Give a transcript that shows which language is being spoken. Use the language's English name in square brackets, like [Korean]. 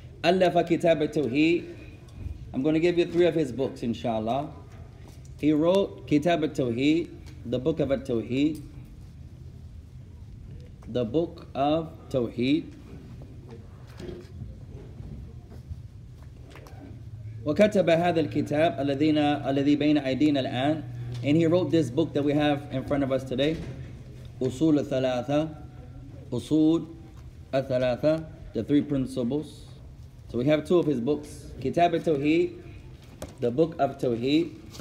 [Arabic] ألف كتاب التوحيد. [English] I'm going to give you three of his books, inshallah. He wrote Kitab al-Tawheed, the book of al-Tawheed, the book of Tawheed. [Arabic] وكتب هذا الكتاب الذي بين أيدينا الآن. [English] And he wrote this book that we have in front of us today, Usool al-Thalaathah, Usool al-Thalaathah, the three principles. So we have two of his books, Kitab al-Tawheed, the book of Tawheed.